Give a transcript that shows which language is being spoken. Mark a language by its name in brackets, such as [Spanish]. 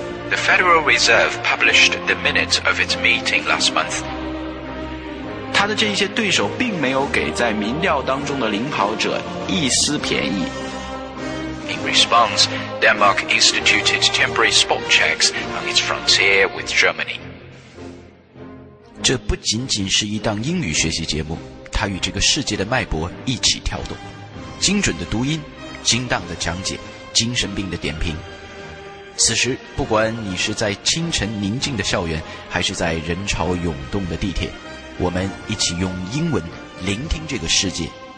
[English] The Federal Reserve published the minutes of its meeting last month. [Chinese] 他的这一些对手并没有给在民调当中的领跑者一丝便宜。 [English] In response, Denmark instituted temporary spot checks on its frontier with Germany. [Chinese] 这不仅仅是一档英语学习节目，它与这个世界的脉搏一起跳动，精准的读音，精当的讲解，精神病的点评。此时，不管你是在清晨宁静的校园，还是在人潮涌动的地铁，我们一起用英文聆听这个世界。